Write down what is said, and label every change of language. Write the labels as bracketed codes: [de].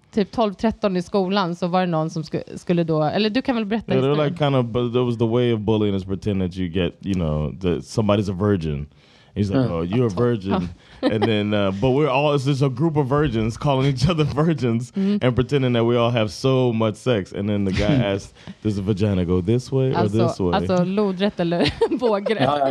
[sv] Typ 12-13 i skolan, så var det någon som skulle då, eller du kan väl berätta. [en] Yeah, they're like kind of, but there was the way of bullying is pretend that you get, you know, that somebody's a virgin. He's like, oh, you're a virgin. And then, but we're all, it's just a group of virgins calling each other virgins and pretending that we all have so much sex. And then the guy asked, does the vagina go this way or this way? [sv] Alltså, lodrätt eller vågrätt.